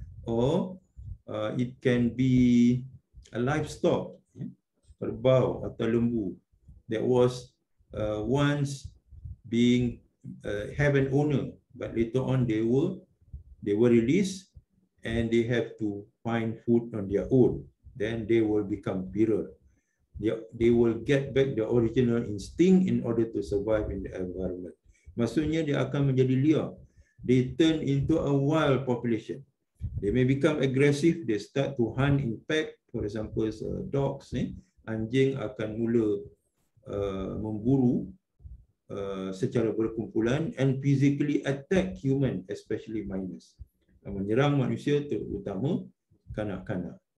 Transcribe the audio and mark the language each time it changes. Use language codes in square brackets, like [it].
[en] Or it can be a livestock, [ms] kerbau atau lembu, [en] that was once being have an owner. But later on, they were released and they have to find food on their own. Then they will become feral. They will get back the original instinct in order to survive in the environment. [ms] Maksudnya, dia akan menjadi liar. [en] They turn into a wild population. They may become aggressive. They start to hunt in pack. For example, dogs. [ms] Anjing akan mula memburu secara berkumpulan [en] and physically attack human, especially minors, [ms] menyerang manusia terutama kanak-kanak.